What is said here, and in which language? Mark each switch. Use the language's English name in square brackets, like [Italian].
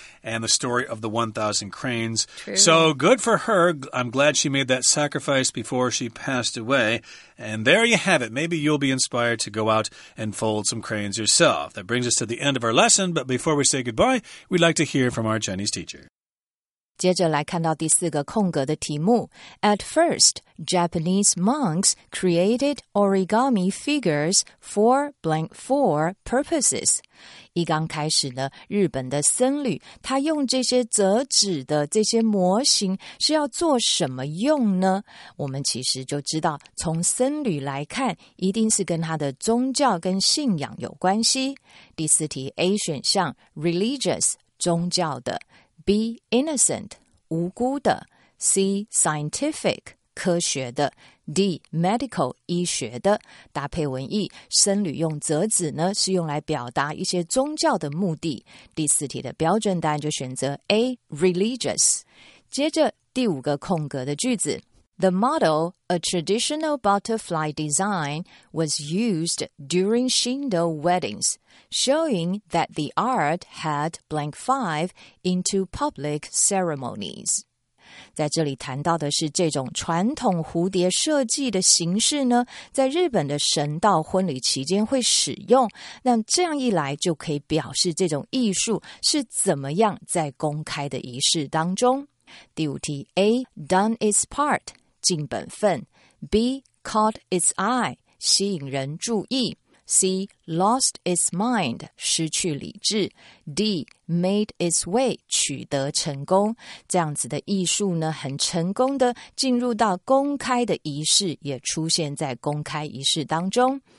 [English] and the story of the 1,000 cranes. True. So good for her. I'm glad she made that sacrifice before she passed away. And there you have it. Maybe you'll be inspired to go out and fold some cranes yourself. That brings us to the end of our lesson. But before we say goodbye, we'd like to hear from our Chinese teacher. [Chinese] 接着来看到第四个空格的题目。 [English] At first, Japanese monks created origami figures for blank for purposes. [Chinese] 一刚开始呢，日本的僧侣，他用这些折纸的这些模型是要做什么用呢？我们其实就知道，从僧侣来看，一定是跟他的宗教跟信仰有关系。第四题 A 选项 ,religious, 宗教的。 B, innocent, 无辜的。C, scientific, 科学的。 D, medical, 医学的。搭配文意，僧侣用折纸呢，是用来表达一些宗教的目的。第四题的标准答案就选择 A, religious。接着第五个空格的句子。 [English] The model, a traditional butterfly design, was used during Shinto weddings, showing that the art had blank five into public ceremonies. [Chinese] 在这里谈到的是这种传统蝴蝶设计的形式呢，在日本的神道婚礼期间会使用，那这样一来就可以表示这种艺术是怎么样在公开的仪式当中。第五题 A, [English] done its part. [Chinese] 尽本分 B, [English] caught its eye, [Chinese] 吸引人注意 C, [English] lost its mind, [Chinese] 失去理智 D, [English] made its way, [Chinese] 取得成功这样子的艺术呢很成功的进入到公开的仪式也出现在公开仪式当中